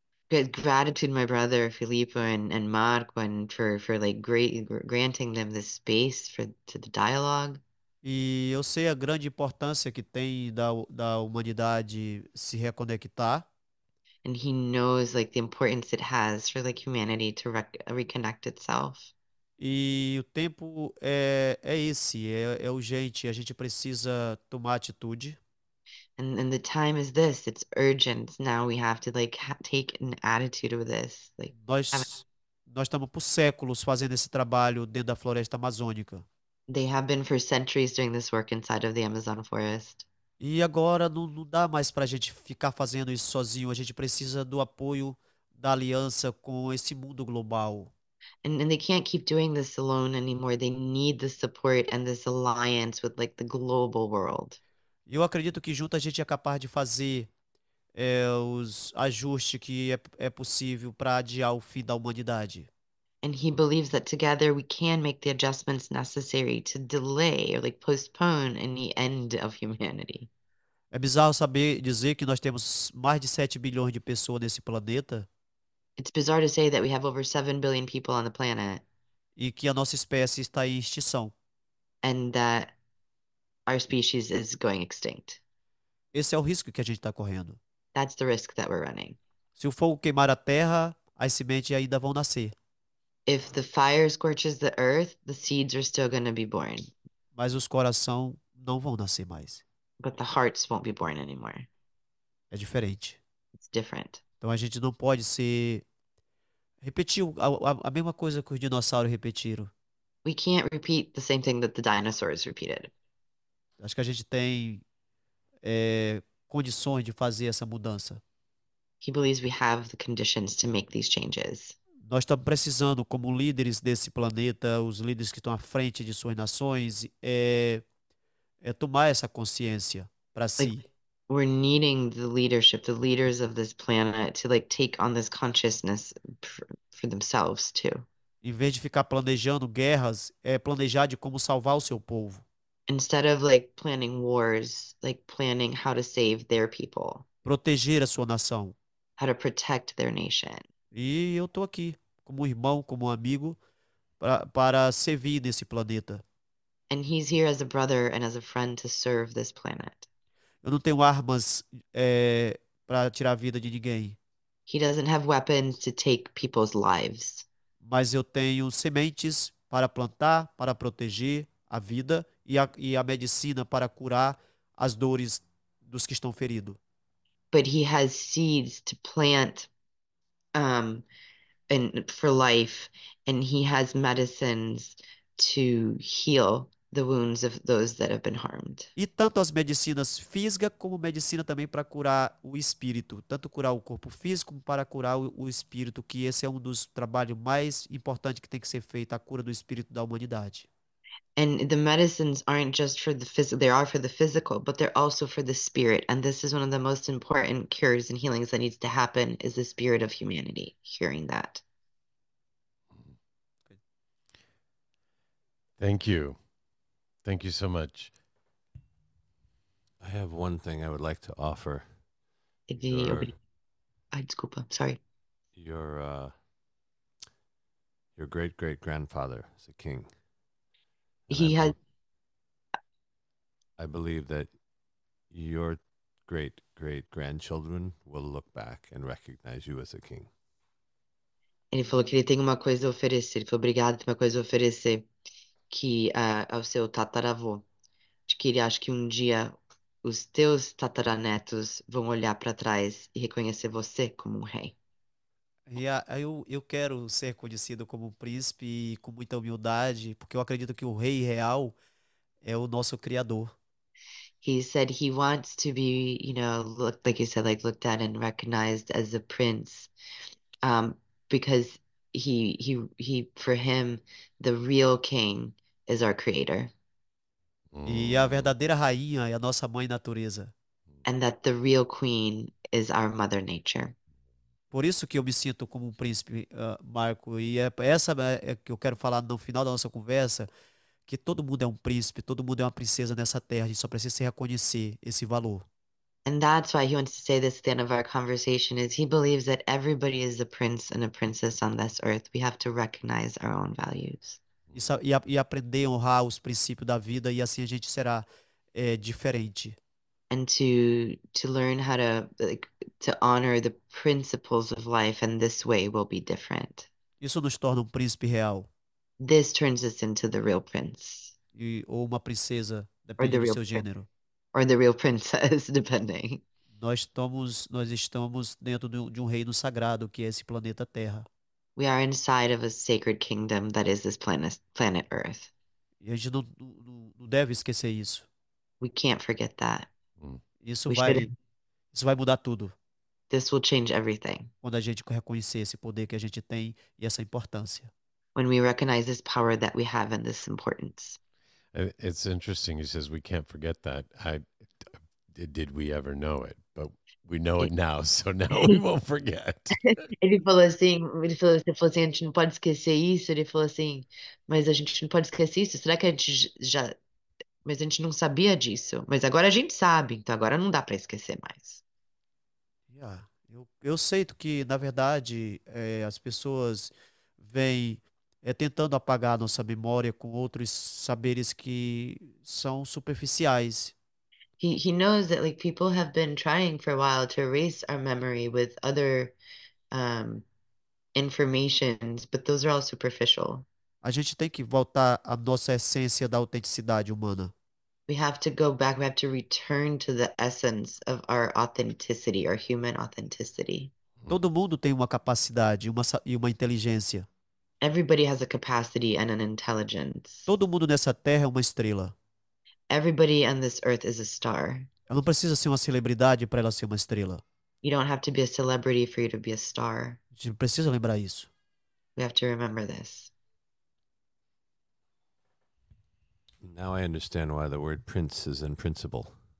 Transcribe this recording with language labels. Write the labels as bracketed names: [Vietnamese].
[English] Gratitude, my brother Filippo and Marco, and for like granting them this space to the dialogue. [Portuguese] E eu sei a grande importância que tem da humanidade se reconectar. [English] And he knows like the importance it has for like humanity to reconnect itself. [Portuguese] E o tempo é esse, é urgente, a gente precisa tomar atitude. [English] And the time is this, it's urgent. Now we have to like ha take an attitude with this. Like have [Portuguese] Nós estamos por séculos fazendo esse trabalho dentro da floresta amazônica. [English] They have been for centuries doing this work inside of the Amazon forest. [Portuguese] E agora não dá mais para a gente ficar fazendo isso sozinho, a gente precisa do apoio da aliança com esse mundo global. [English] And they can't keep doing this alone anymore. They need the support and this alliance with like the global world. [Portuguese] Eu acredito que junto a gente é capaz de fazer os ajustes que é possível para adiar o fim da humanidade. [English] And he believes that together we can make the adjustments necessary to delay or like postpone any end of humanity. [Portuguese] É bizarro saber dizer que nós temos mais de 7 bilhões de pessoas nesse planeta [English] It's bizarre to say that we have over 7 billion people on the planet. [Portuguese] e que a nossa espécie está em extinção. [English] And that our species is going extinct. [Portuguese] Esse é o risco que a gente está correndo. [English] That's the risk that we're running. [Portuguese] Se o fogo queimar a terra, as sementes ainda vão nascer. [English] If the fire scorches the earth, the seeds are still going to be born. [Portuguese] Mas os corações não vão nascer mais. [English] But the hearts won't be born anymore. [Portuguese] É diferente. [English] It's different. [Portuguese] Então a gente não pode ser. Repetir a mesma coisa que os dinossauros repetiram. [English] We can't repeat the same thing that the dinosaurs repeated. [Portuguese] Acho que a gente tem. Condições de fazer essa mudança. [English] He believes we have the conditions to make these changes. [Portuguese] Nós estamos precisando, como líderes desse planeta, os líderes que estão à frente de suas nações, tomar essa consciência para [English] Like, si. we're needing the leadership, the leaders of this planet, to like take on this consciousness for themselves too. [Portuguese] Em vez de ficar planejando guerras, é planejar de como salvar o seu povo. [English] Instead of like planning wars, like planning how to save their people, [Portuguese] Proteger a sua nação. [English] how to protect their nation. [Portuguese] E eu estou aqui, como irmão, como amigo, para servir nesse planeta. [English] And he's here as a brother and as a friend to serve this planet. [Portuguese] Eu não tenho armas, para tirar a vida de ninguém. [English] He doesn't have weapons to take people's lives. [Portuguese] Mas eu tenho sementes para plantar, para proteger a vida e a medicina para curar as dores dos que estão feridos. [English] But he has seeds to plant, and for life, and he has medicines to heal the wounds of those that have been harmed. [Portuguese] E tanto as medicinas físicas como medicina também para curar o espírito, tanto curar o corpo físico como para curar o espírito, que esse é um dos trabalhos mais importantes que tem que ser feito, a cura do espírito da humanidade. [English] And the medicines aren't just for the physical, they are for the physical, but they're also for the spirit. And this is one of the most important cures and healings that needs to happen, is the spirit of humanity hearing that. Thank you. Thank you so much. I have one thing I would like to offer [Portuguese] Ai, desculpa, [English] sorry. your great great grandfather is a king. And He had. I believe that your great great grandchildren will look back and recognize you as a king. [Portuguese] Ele falou que ele tem uma coisa a oferecer. Ele falou, obrigado, tem uma coisa a oferecer. Que é o seu tataravô. De que ele acha que um dia os teus tataranetos vão olhar para trás e reconhecer você como um rei. Eu quero ser conhecido como um príncipe e com muita humildade, porque eu acredito que o rei real é o nosso Criador. [English] He said he wants to be, looked, like you said, like looked at and recognized as a prince, because he for him the real king is our creator. [Portuguese] E a verdadeira rainha é a nossa mãe natureza. [English] And that the real queen is our mother nature. [Portuguese] Por isso que eu me sinto como um príncipe, Marco, e é essa que eu quero falar no final da nossa conversa, que todo mundo é um príncipe, todo mundo é uma princesa nessa terra, a gente só precisa reconhecer esse valor. [English] And that's why he wants to say this at the end of our conversation, is he believes that everybody is a prince and a princess on this earth. We have to recognize our own values. [Portuguese] E aprender a honrar os princípios da vida, e assim a gente será, diferente. [English] And to learn how to honor the principles of life, and this way will be different. [Portuguese] Isso nos torna um príncipe real. [English] This turns us into the real prince. [Portuguese] Ou uma princesa, [English] Or [Portuguese] dependendo [English] the [Portuguese] do [English] real [Portuguese] seu [English] prince. [Portuguese] gênero. [English] Or the real princess, depending. [Portuguese] Nós estamos dentro de um reino sagrado, que é esse planeta Terra. [English] We are inside of a sacred kingdom that is this planet Earth. [Portuguese] E a gente não deve esquecer isso. [English] We can't forget that. [Portuguese] Isso [English] We shouldn't. [Portuguese] vai mudar tudo. [English] This will change everything. [Portuguese] Quando a gente reconhecer esse poder que a gente tem e essa importância. [English] When we recognize this power that we have and this importance. It's interesting. He says we can't forget that. Did we ever know it? But we know it now, so now we [Portuguese] Ele [English] won't forget. [Portuguese] falou assim, a gente não pode esquecer isso. Ele falou assim, mas a gente não pode esquecer isso. Será que a gente já. Mas a gente não sabia disso. Mas agora a gente sabe, então agora não dá para esquecer mais. Eu sei que, na verdade, as pessoas vêm tentando apagar nossa memória com outros saberes que são superficiais. [English] He knows that like people have been trying for a while to erase our memory with other informations, but those are all superficial. [Portuguese] A gente tem que voltar à nossa essência da autenticidade humana. [English] We have to go back, we have to return to the essence of our authenticity, our human authenticity. [Portuguese] Todo mundo tem uma capacidade, e uma inteligência. [English] Everybody has a capacity and an intelligence. [Portuguese] Todo mundo nessa terra é uma estrela. [English] Everybody on this earth is a star. [Portuguese] Ela não precisa ser uma celebridade para ela ser uma estrela. [English] You don't have to be a celebrity for you to be a star. [Portuguese] A gente precisa lembrar isso. [English] We have to remember this. Now I understand why the word prince is in principle.